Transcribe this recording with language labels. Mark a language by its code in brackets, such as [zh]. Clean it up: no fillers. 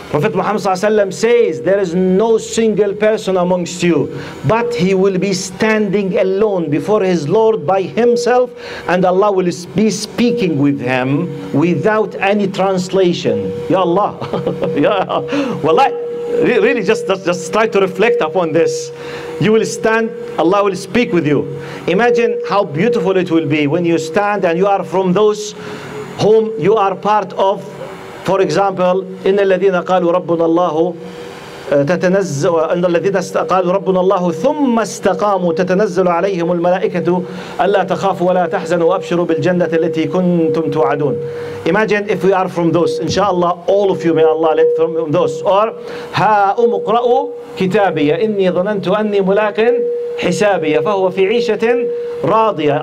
[en] Prophet Muhammad Sallallahu Alaihi Wasallam says, there is no single person amongst you, but he will be standing alone before his Lord by himself, and Allah will be speaking with him without any translation. Ya Allah! Ya Wallah! Really, just try to reflect upon this. You will stand, Allah will speak with you. Imagine how beautiful it will be when you stand and you are from those whom you are part of. For example, [ar] إن الذين قالوا ربنا الله تتنزل, إن الذين قالوا ربنا الله ثم استقاموا تتنزل عليهم الملائكة ألا تخافوا ولا تحزنوا وأبشروا بالجنة التي كنتم توعدون. [en] Imagine if we are from those. Inshallah, all of you, may Allah let from those. [ar] Or ها أم اقرأوا كتابي إني ظننت أني ملاق حسابي فهو في عيشة راضية.